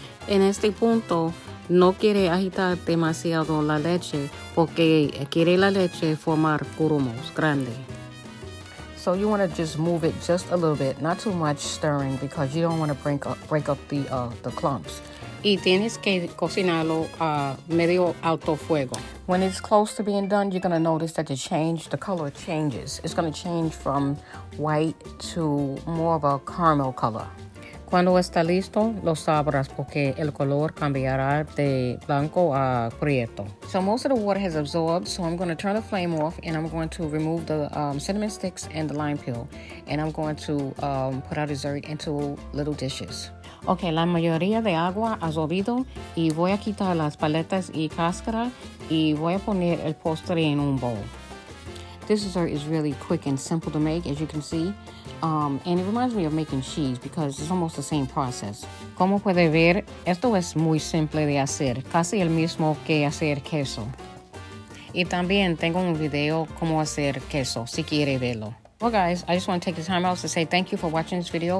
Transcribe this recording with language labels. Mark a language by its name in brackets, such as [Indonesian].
[Spanish] En este punto, no quiere agitar demasiado la leche porque quiere la leche formar grumos grande. [English] So you want to just move it just a little bit, not too much stirring because you don't want to break up the clumps. [Spanish] Y tienes que cocinarlo a medio alto fuego. [English] When it's close to being done, you're going to notice that the color changes. It's going to change from white to more of a caramel color. [Spanish] Cuando está listo, lo sabrás porque el color cambiará de blanco a prieto. [English] So most of the water has absorbed, so I'm going to turn the flame off and I'm going to remove the cinnamon sticks and the lime peel. And I'm going to put our dessert into little dishes. [Spanish] Okay, la mayoría de agua ha absorbido y voy a quitar las paletas y cáscara y voy a poner el postre en un bowl. [English] This dessert is really quick and simple to make, as you can see. And it reminds me of making cheese because it's almost the same process. [Spanish] Como puede ver, esto es muy simple de hacer, casi el mismo que hacer queso. Y también tengo un video como hacer queso, si quiere verlo. [English] Well guys, I just want to take the time out to say thank you for watching this video.